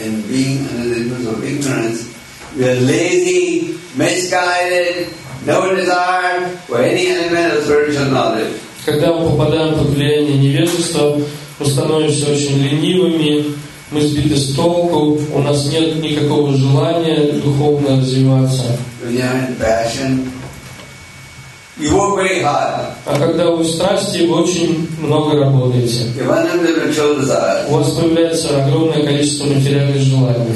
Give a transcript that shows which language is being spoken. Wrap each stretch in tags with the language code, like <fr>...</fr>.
<en>We are lazy, misguided, no desire for any element of spiritual knowledge.</en> <ru>Когда мы попадаем под влияние невежества, мы становимся очень ленивыми, мы сбиты с толку, у нас нет никакого желания духовно развиваться.</ru> <en>When you are in passion, you work very hard.</en> <ru>А когда вы в страсти, вы очень много работаете.</ru> <en>You have an element of spiritual desire.</en> <ru>У вас появляется огромное количество материальных желаний.</ru>